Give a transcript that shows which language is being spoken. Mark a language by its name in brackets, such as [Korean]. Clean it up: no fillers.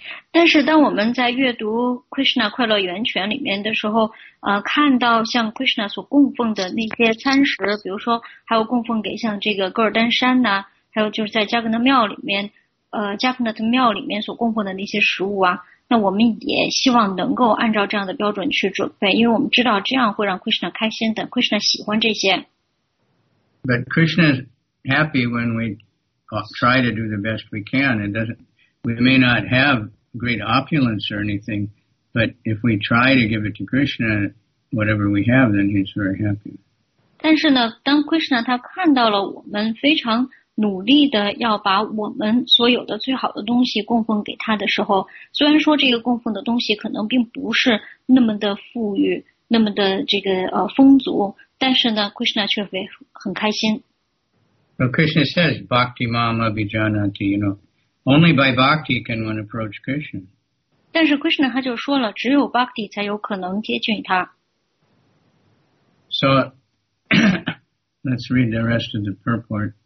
[Chinese] 但是当我们在阅读 Krishna 快乐源泉里面的时候，看到像 Krishna 所供奉的那些餐食，比如说还有供奉给像这个噶尔丹山呐，还有就是在加格纳庙里面，加格纳特庙里面所供奉的那些食物啊，那我们也希望能够按照这样的标准去准备，因为我们知道这样会让 Krishna 开心的 ，Krishna 喜欢这些。 [English] But Krishna. Happy when we try to do the best we can. It doesn't. We may not have great opulence or anything, but if we try to give it to Krishna, whatever we have, then he's very happy. But [Chinese] 但是呢，当 Krishna 他看到了我们非常努力的要把我们所有的最好的东西供奉给他的时候，虽然说这个供奉的东西可能并不是那么的富裕，那么的这个丰足，但是呢 ，Krishna 却会很开心。 [English] So Krishna says, [Sanskrit] "Bhakti mama bijanati." [English] You know, only by bhakti can one approach Krishna. [Chinese] 但是 Krishna 他就说了，只有 bhakti 才有可能接近他。 [English] So let's read the rest of the purport.